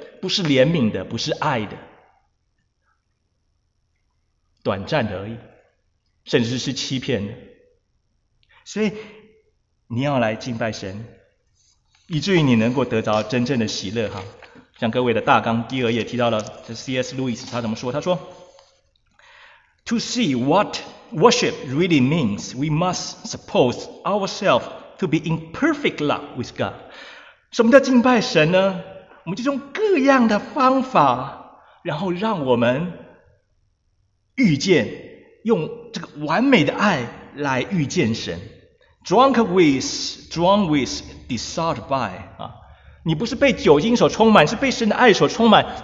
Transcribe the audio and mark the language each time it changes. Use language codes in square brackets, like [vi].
[zh] 不是怜悯的，不是爱的，短暂的而已，甚至是欺骗的。所以你要来敬拜神，以至于你能够得到真正的喜乐哈。像各位的大纲第二页提到了，这 C.S. [en] Lewis [zh] 他怎么说？他说 [en] ：“To see what worship really means, we must suppose ourselves to be in perfect love with God。” [zh] 什么叫敬拜神呢？我们就用各样的方法，然后让我们遇见，用这个完美的爱来遇见神。 [en] Drunk with, deceived by [zh] 啊，你不是被酒精所充满，是被神的爱所充满。